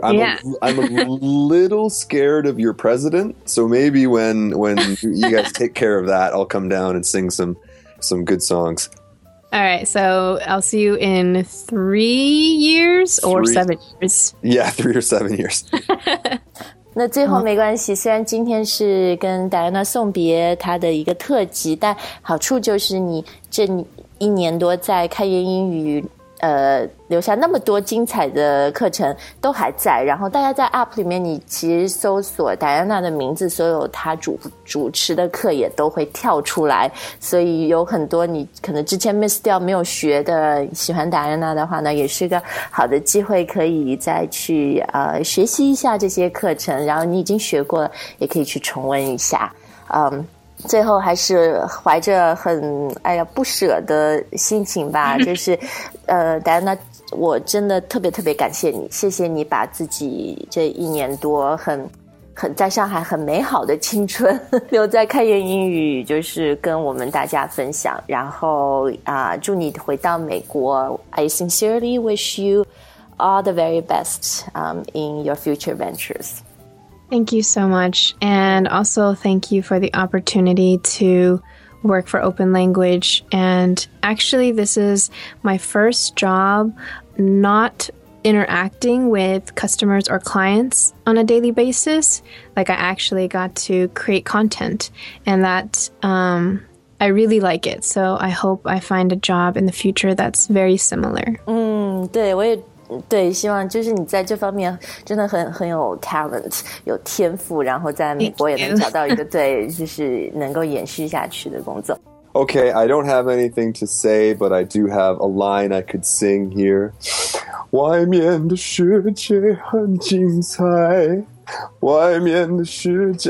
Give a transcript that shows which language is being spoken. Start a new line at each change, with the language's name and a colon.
English: I'm a little scared of your president. So maybe when you guys take care of that, I'll come down and sing some good songs. All right. So I'll see you in 3 years or 7 years. Yeah, 3 or 7 years.
Chinese: 那最后没关系，虽然今天是跟 Diana 送别她的一个特辑，但好处就是你这一年多在开源英语留下那么多精彩的课程都还在，然后大家在 APP 里面你其实搜索 Diana 的名字，所有她主持的课也都会跳出来，所以有很多你可能之前 miss 掉没有学的，喜欢 Diana 的话呢，也是个好的机会可以再去学习一下这些课程，然后你已经学过了也可以去重温一下。最后还是怀着很不舍的心情吧，就是Diana, 我真的特别特别感谢你，谢谢你把自己这一年多很在上海很美好的青春留在开源英语，就是跟我们大家分享，然后祝你回到美国。
English: I sincerely wish you all the very best in your future ventures. Thank you so much, and also thank you for the opportunity to work for Open Language. And actually, this is my first job not interacting with customers or clients on a daily basis. Like, I actually got to create content, and that I really like it. So I hope I find a job in the future that's very similar.
Chinese: 对，我也对，希望就是你在这方面真的很有 talent， 有天赋，然后在美国也能找到一个对，就是能够延续下去的工作。
English: Okay, I don't have anything to say, but I do have a line I could sing here.
Chinese: 外面的世界很精彩，外面的世界。